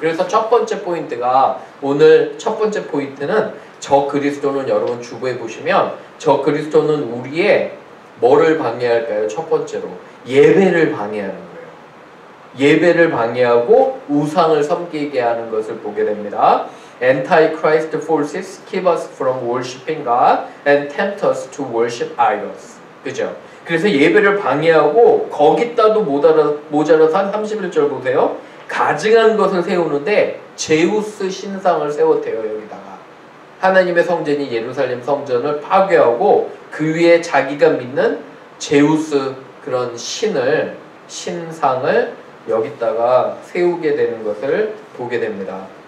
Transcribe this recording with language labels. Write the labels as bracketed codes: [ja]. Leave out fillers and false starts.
[ko] 그래서 첫 번째 포인트가 오늘 첫 번째 포인트는 저 그리스도는 여러분 주부해 보시면 저 그리스도는 우리의 뭐를 방해할까요? 첫 번째로 예배를 방해하는 거예요. 예배를 방해하고 우상을 섬기게 하는 것을 보게 됩니다. [en] Antichrist forces keep us from worshiping God and tempt us to worship idols. [ko] 그죠? 그래서 예배를 방해하고 거기다도 모자라서 한 31절 보세요. 가증한 것을 세우는데 제우스 신상을 세웠대요. 여기다가 하나님의 성전이 예루살렘 성전을 파괴하고 그 위에 자기가 믿는 제우스 그런 신상을 여기다가 세우게 되는 것을 보게 됩니다.